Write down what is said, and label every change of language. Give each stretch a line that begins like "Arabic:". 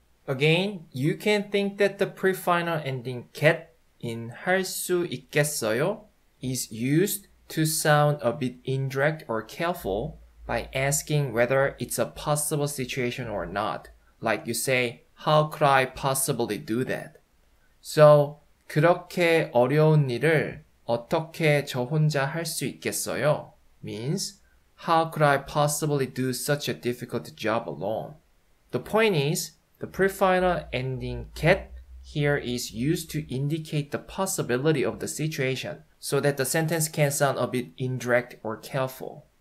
English: Again, you can think that the prefinal ending get in
Korean: 할 수 있겠어요
English: is used to sound a bit indirect or careful by asking whether it's a possible situation or not. Like you say, how could I possibly do that?
Korean: So, 그렇게 어려운 일을 어떻게 저 혼자 할 수 있겠어요?
English: Means, how could I possibly do such a difficult job alone? The point is, the prefinal ending get here is used to indicate the possibility of the situation so that the sentence can sound a bit indirect or careful.